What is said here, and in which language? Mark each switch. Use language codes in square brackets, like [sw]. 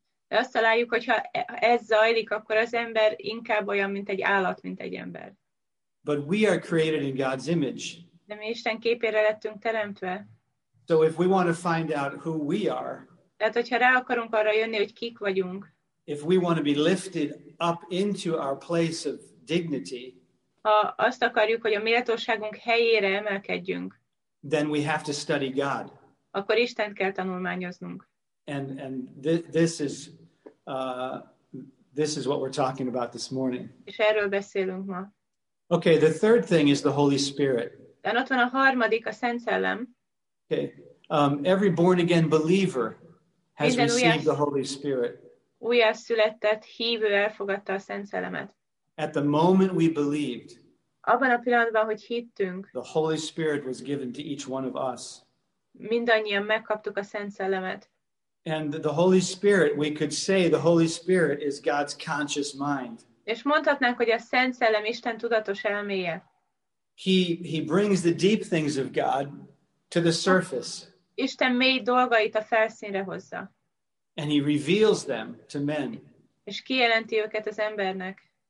[hu] De azt találjuk, hogy ha ez zajlik, akkor az ember inkább olyan, mint egy állat, mint egy ember. [en] But we are created in God's image. [hu] De mi Isten képére lettünk teremtve. [en] So if we want to find out who we are, [hu] tehát hogyha rá akarunk arra jönni, hogy kik vagyunk, [en] if we want to be lifted up into our place of dignity, [hu] ha azt akarjuk, hogy a méltóságunk helyére emelkedjünk, [en] then we have to study God. [hu] Akkor Istent kell tanulmányoznunk. [en] And this is what we're talking about this morning. [hu] És erről beszélünk ma. [en] Okay, the third thing is the Holy Spirit. [hu] Then ott van a harmadik, a Szent Szellem. [en] Okay, every born again believer has received the Holy Spirit. [hu] Újjászületett hívő elfogadta a Szent Szellemet. [en] At the moment we believed, [hu] abban a pillanatban, hogy hittünk, [en] the Holy Spirit was given to each one of us. [hu] Mindannyian megkaptuk a Szent Szellemet. [en] And the Holy Spirit, we could say the Holy Spirit is God's conscious mind. [hu] És mondhatnánk, hogy a Szent Szellem Isten tudatos elméje. [en] He brings the deep things of God to the surface. [hu] Isten mély dolgait a felszínre hozza. [en] And he reveals them to men. [hu] És kijelenti őket az embernek.